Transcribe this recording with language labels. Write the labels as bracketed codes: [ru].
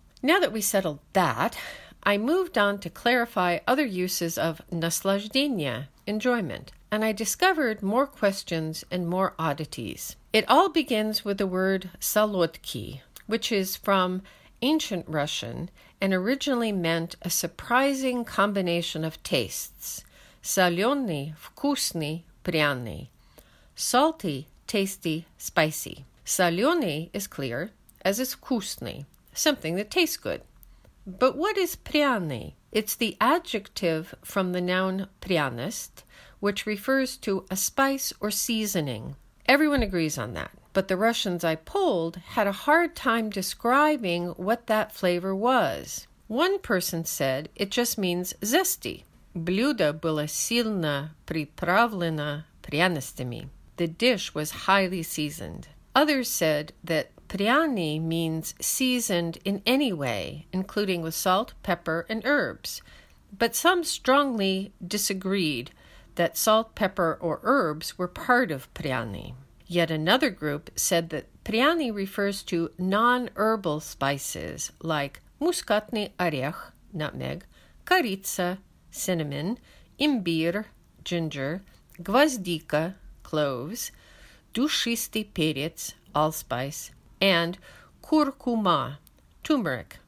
[en] Now that we settled that, I moved on to clarify other uses of «naslazhdenie», enjoyment, and I discovered more questions and more oddities. It all begins with the word «salutki», which is from ancient Russian and originally meant a surprising combination of tastes. [ru] «Солёный, вкусный, пряный». [en] Salty, tasty, spicy. «Солёный» is clear, as is «вкусный», something that tastes good. But what is «пряный»? It's the adjective from the noun «прянист», which refers to a spice or seasoning. Everyone agrees on that, but the Russians I polled had a hard time describing what that flavor was. One person said it just means zesty. [ru] Блюдо было сильно приправлено пряностями. [en] The dish was highly seasoned. Others said that пряный means seasoned in any way, including with salt, pepper, and herbs. But some strongly disagreed that salt, pepper, or herbs were part of пряный. Yet another group said that пряный refers to non-herbal spices like мускатный орех, nutmeg, корица, cinnamon, имбир, ginger, гвоздика, cloves, душистый перец, allspice, and куркума, turmeric.